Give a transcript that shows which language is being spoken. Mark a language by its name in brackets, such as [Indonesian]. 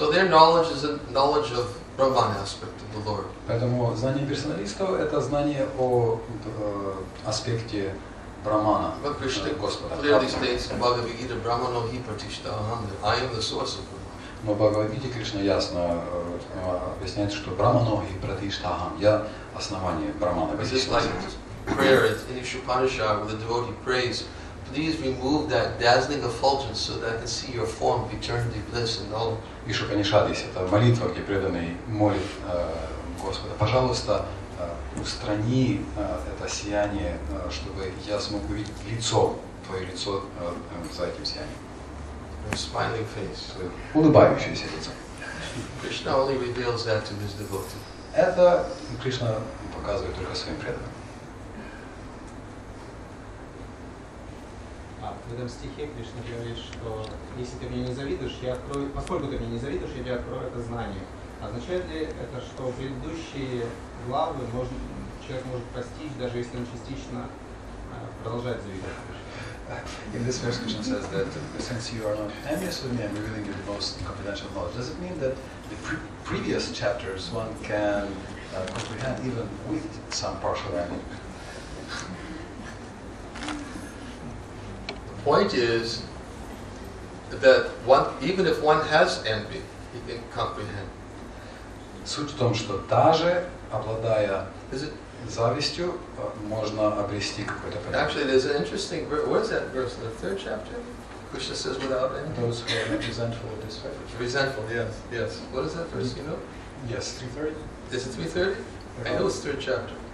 [English] So their knowledge is a knowledge of Brahman aspect of the Lord. [Russian] Поэтому знание персоналистов это знание о аспекте Брамана. [English] But Krishna [Russian] Господа. [English] Clearly states in Bhagavad Gita, [Sanskrit] Brahmano hi pratishta aham, [English] I am the source of Brahman. [Russian] Но в Бхагавад Гите Кришна ясно объясняет, что [Sanskrit] Брамано и пратишта ахам, [Russian] я основание Брамана. [English] It's just like prayer in Ishupanishad where the devotee prays, please remove that dazzling effulgence so that I can see your form of eternity bliss and all. [Russian] Ишупанишад, это молитва, где преданный молит Господа, пожалуйста, устрани это сияние, чтобы я смог увидеть лицо, твое лицо за этим сиянием. [English] Smiling face. [Russian] Улыбающееся лицо. [English] Krishna only reveals that to his devotee. [Russian] Это Кришна показывает только своим преданным. В этом стихе Кришна говорит, что если ты мне не завидуешь, я открою, поскольку ты мне не завидуешь, я тебе открою это знание. Означает ли это, что предыдущие главы человек может постичь, даже если он частично продолжает завидовать? [English] In this verse Krishna says that since you are not envious with me, I'm revealing you the most confidential knowledge. Does it mean that the previous chapters one can comprehend even with some partial envy? The point is that one, even if one has envy, he can comprehend. [Russian] Суть в том, что даже обладая завистью, можно обрести какое-то понимание. [English] Actually, there's an interesting verse. What is that verse in the third chapter? Krishna says, without envy. Those who are resentful of this verse. Resentful, yes, yes. What is that verse, you know? Yes, 330. Is it 330? I know it's third chapter.